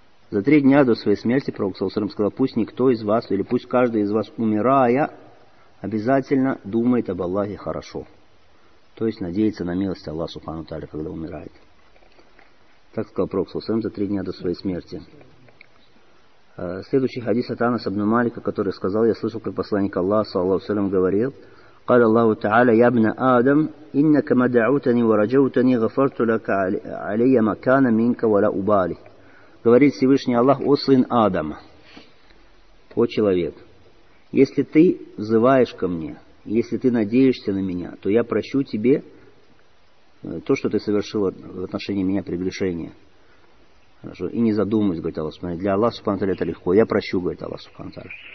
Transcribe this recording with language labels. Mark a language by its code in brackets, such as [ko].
[ru] За три дня до своей смерти пророк саллаллаху алейхи вассалям сказал: «Пусть никто из вас, или пусть каждый из вас, умирая, обязательно думает об Аллахе хорошо». То есть надеется на милость Аллаха Субхану Тааля, когда умирает. Так сказал пророк саллаллаху алейхи вассалям за три дня до своей смерти. Следующий хадис от Анаса ибн Малика, который сказал: «Я слышал, как посланник Аллаха саллаллаху алейхи вассалям говорил: [ar] قال الله تعالى يا ابن آدم إنك ما دعوتني ورجوتني غفرت لك علي ما كان منك ولا أبالي». [ru] Говорит Всевышний Аллах: «О сын Адама, о человек, если ты взываешь ко мне, если ты надеешься на меня, то я прощу тебе то, что ты совершил в отношении меня прегрешение. Хорошо. И не задумываясь, говорит Аллах Субхану. Для Аллаха Субхану Таля это легко. Я прощу, говорит Аллах Субхану Таля.